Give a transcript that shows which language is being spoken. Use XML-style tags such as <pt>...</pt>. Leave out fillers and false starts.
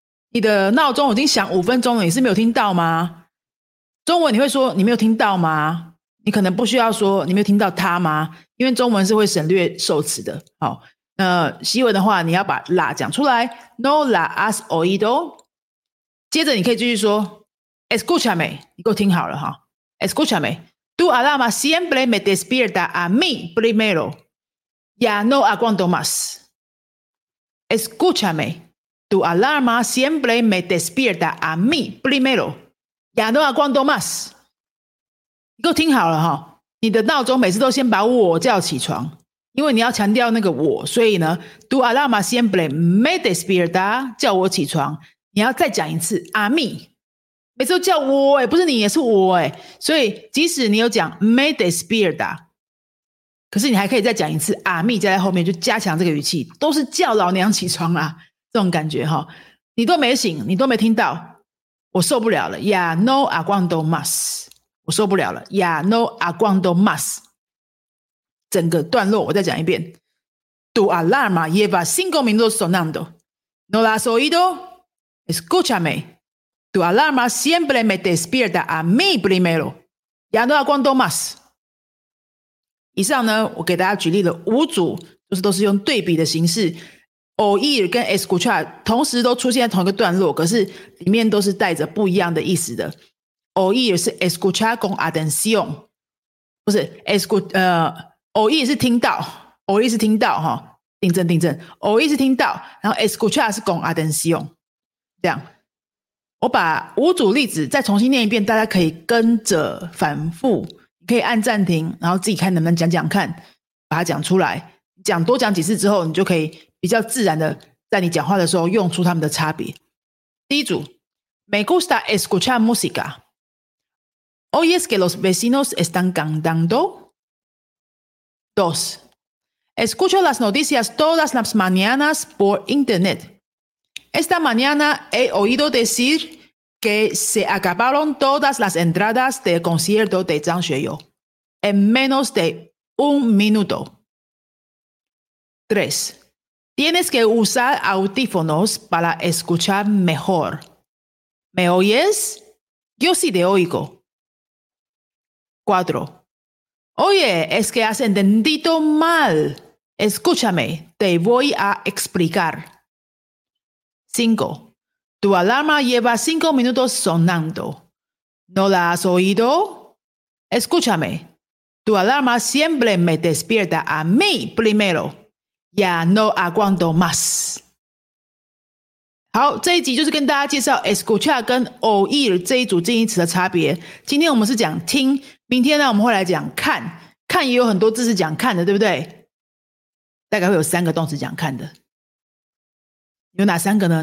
<zh>你的闹钟已经响五分钟了，你是没有听到吗？中文你会说你没有听到吗？你可能不需要说你没有听到它吗，因为中文是会省略受词的。好，那西文的话你要把 la 讲出来，</zh> <es>No la has oído?</es> <zh>接着你可以继续说</zh> <es>Escúchame,</es> <zh>你给我听好了哈。</zh> <es>Escúchame, tu alarma siempre me despierta a mí primero, ya no aguanto más. Escúchame, tu alarma siempre me despierta a mí primero, ya no aguanto más.</es> <zh>你给我听好了哈，你的闹钟每次都先把我叫起床，因为你要强调那个我，所以呢</zh> <es>tu alarma siempre me despierta,</es> <zh>叫我起床，你要再讲一次阿密，每次都叫我耶，不是你也是我耶，所以即使你有讲</zh> <es>me despierta,</es> <zh>可是你还可以再讲一次阿密，加在后面就加强这个语气，都是叫老娘起床啦，这种感觉齁，你都没醒，你都没听到，我受不了了，</zh> <es>ya no aguanto más,</es> <zh>我受不了了， ya no aguanto más。整个段落我再讲一遍。</zh> <es>Tu alarma lleva cinco minutos sonando, No la has oído? Escúchame, tu alarma siempre me despierta a mí primero, ya no aguanto más.</es> <zh>以上呢，我给大家举例了五组，就是都是用对比的形式， O'Ear 跟 Escucha 同时都出现在同一个段落，可是里面都是带着不一样的意思的。 O'Ear 是</zh> <es>Escucha con atención，</es> <zh>不是 O'Ear 是听到， O'Ear 是听到，订正订正， O'Ear 是听到，然后 Escucha 是</zh> <es>con atención。</es> <zh>这样我把五组例子再重新念一遍，大家可以跟着反复，可以按暂停，然后自己看能不能讲讲看，把它讲出来，讲多讲几次之后，你就可以比较自然的在你讲话的时候用出他们的差别。第一组，</zh> <es>Me gusta escuchar música. Hoy es que los vecinos están cantando. Dos, Escucho las noticias todas las mañanas por internet. Esta mañana he oído decir que se acabaron todas las entradas del concierto de Zhang Xueyou en menos de un minuto. 3. Tienes que usar audífonos para escuchar mejor. ¿Me oyes? Yo sí te oigo. 4. Oye, es que has entendido mal. Escúchame, te voy a explicar. 5. Tu alarma lleva 5 minutos sonando. ¿No la has oído? Escúchame, tu alarma siempre me despierta a mí primero. Ya no aguanto más.</es> <zh>好，这一集就是跟大家介绍 escuchar 跟 oír 这一组近义词的差别。今天我们是讲听，明天呢我们会来讲看，看也有很多字是讲看的，对不对？大概会有三个动词讲看的，有哪三个呢？</zh>